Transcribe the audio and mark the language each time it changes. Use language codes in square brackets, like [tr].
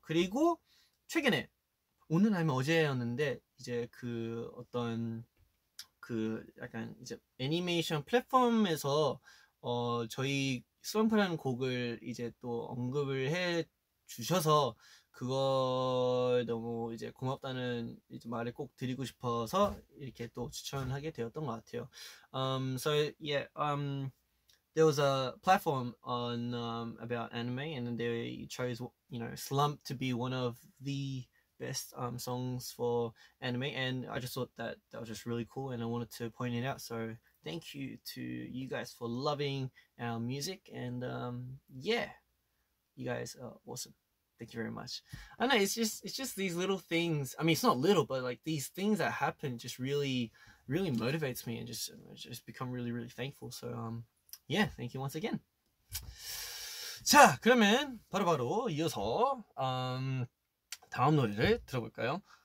[ko] 그리고 최근에 오늘 아니면 어제였는데 이제 그 어떤 그 약간 이제 애니메이션 플랫폼에서 저희 슬럼프라는 곡을 이제 또 언급을 해 주셔서 그걸 너무 이제 고맙다는 이제 말을 꼭 드리고 싶어서 이렇게 또 추천하게 되었던 것 같아요. [en] So yeah, there was a platform on about anime, and then they chose you know Slump to be one of the best songs for anime, and I just thought that that was just really cool, and I wanted to point it out. So thank you to you guys for loving our music, and yeah, you guys are awesome. Thank you very much. I know it's just these little things. I mean, it's not little, but like these things that happen just really, really motivates me and just become really, really thankful. So yeah, thank you once again. [ko] 자, 그러면 바로 이어서 다음 노래를 들어볼까요?